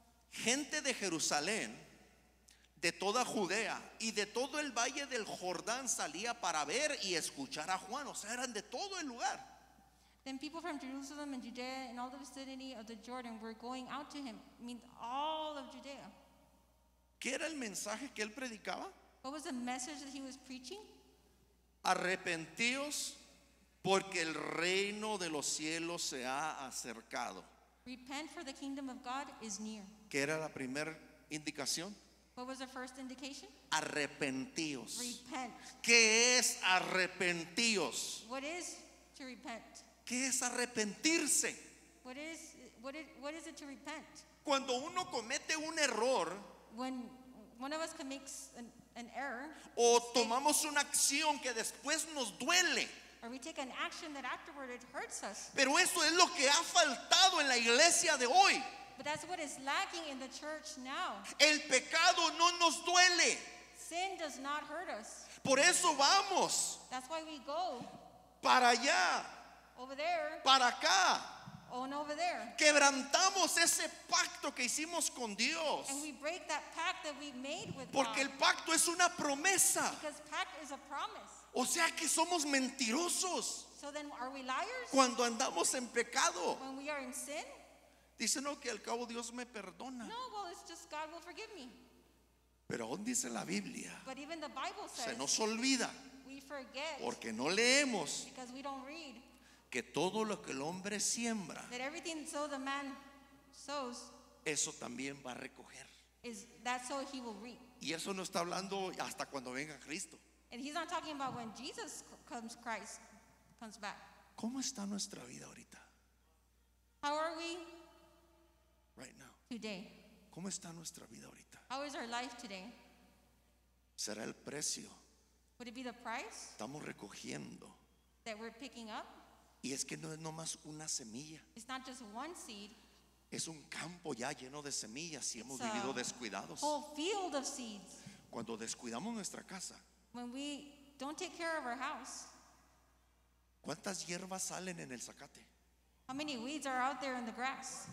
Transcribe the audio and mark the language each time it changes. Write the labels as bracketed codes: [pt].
[es] Gente de Jerusalén, de toda Judea y de todo el valle del Jordán salía para ver y escuchar a Juan. O sea, eran de todo el lugar. [en] Then people from Jerusalem and Judea and all the vicinity of the Jordan were going out to him. I mean, all of Judea. [es] ¿Qué era el mensaje que él predicaba? [en] What was the message that he was preaching? [es] Arrepentíos, porque el reino de los cielos se ha acercado. [en] Repent, for the kingdom of God is near. [es] ¿Qué era la primera indicación? [en] What was the first indication? [es] Arrepentíos. [en] Repent. [es] ¿Qué es arrepentíos? [en] What is to repent? [es] ¿Qué es arrepentirse? [en] What is it to repent? [es] Cuando uno comete un error. [en] When one of us commits an error. [es] O tomamos una acción que después nos duele. [en] Or we take an action that afterward it hurts us. [es] Pero eso es lo que ha faltado en la iglesia de hoy. [en] But that's what is lacking in the church now. [es] El pecado no nos duele. [en] Sin does not hurt us. [es] Por eso vamos. [en] That's why we go. [es] Para allá. [en] Over there. [es] Para acá. [en] on over there. [es] Quebrantamos ese pacto que hicimos con Dios. [en] And we break that pact that we made with [es] Porque [en] God. [es] El pacto es una promesa. [en] Because pact is a promise. [es] O sea que somos mentirosos. [en] So then are we liars? [es] Cuando andamos en pecado. [en] When we are in sin? [es] Dicen, no, que al cabo Dios me perdona. [en] No, well, it's just God will forgive me. [es] Pero aún dice la Biblia. [en] But even the Bible says, [es] se nos olvida. [en] We forget. [es] Porque no leemos. [en] Because we don't read. [es] Que todo lo que el hombre siembra, [en] that everything so the man sows, [es] eso también va a recoger. [en] Is that so he will reap? [es] Y eso no está hablando hasta cuando venga Cristo. [en] And he's not talking about when Jesus comes, Christ comes back. [es] ¿Cómo está nuestra vida ahorita? [en] How are we? Right now. Today. [es] ¿Cómo está nuestra vida ahorita? [en] How is our life today? [es] ¿Será el precio? [en] Would it be the price? [es] Estamos recogiendo. [en] That we're picking up. [es] Y es que no es nomás una semilla. [en] It's not just one seed. [es] Es un campo ya lleno de semillas si hemos vivido descuidados. [en] Whole field of seeds. [es] Cuando descuidamos nuestra casa. [en] When we don't take care of our house. [es] ¿Cuántas hierbas salen en el zacate? [en] How many weeds are out there in the grass?